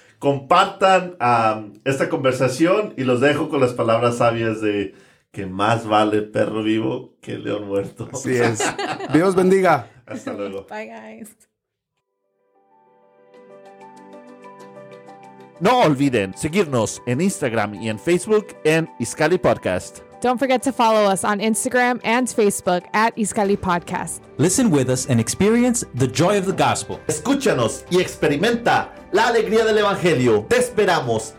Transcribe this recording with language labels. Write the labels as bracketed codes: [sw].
[es] Compartan esta conversación y los dejo con las palabras sabias de que más vale perro vivo que león muerto. Así es. Dios bendiga. Hasta luego. [en] Bye, guys. [es] No olviden seguirnos en Instagram y en Facebook en Izcalli Podcast. [en] Don't forget to follow us on Instagram and Facebook at Izcalli Podcast. Listen with us and experience the joy of the gospel. [es] Escúchanos y experimenta la alegría del evangelio. Te esperamos.